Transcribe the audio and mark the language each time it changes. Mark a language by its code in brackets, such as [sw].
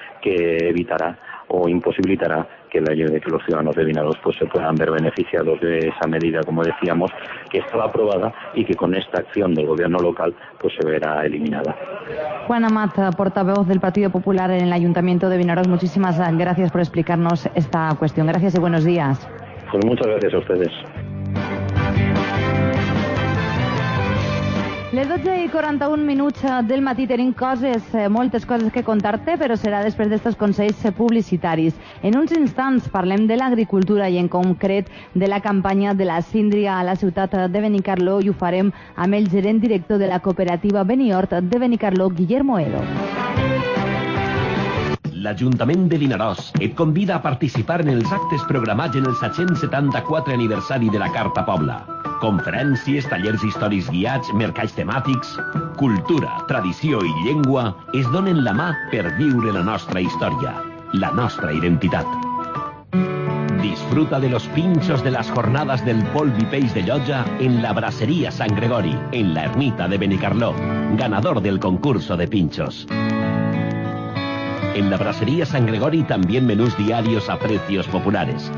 [es] que evitará o imposibilitará que los ciudadanos de Vinaroz pues se puedan ver beneficiados de esa medida, como decíamos, que estaba aprobada y que con esta acción del gobierno local pues se verá eliminada. Juan Amat, portavoz del Partido Popular en el Ayuntamiento de Vinaroz, muchísimas gracias por explicarnos esta cuestión. Gracias y buenos días. Pues muchas gracias a ustedes. [ca] Les 12 i 41 minuts del matí, tenim coses, moltes coses que contar-te, però serà després d'aquests consells publicitaris. En uns instants parlem de l'agricultura i en concret de la campanya de la síndria a la ciutat de Benicarló, i ho farem amb el gerent director de la cooperativa Benihort de Benicarló, Guillermo Edo. L'Ajuntament de Vinaròs et convida a participar en els actes programats en el 774 aniversari de la Carta Pobla. Conferències, tallers històrics guiats, mercats temàtics, cultura, tradició i llengua es donen la mà per viure la nostra història, la nostra identitat. [es] Disfruta de los pinchos de las jornadas del Polvi Peix de Llotja en la Brasería San Gregori, en la ermita de Benicarló, ganador del concurso de pinchos. En la Brasería San Gregori también menús diarios a precios populares.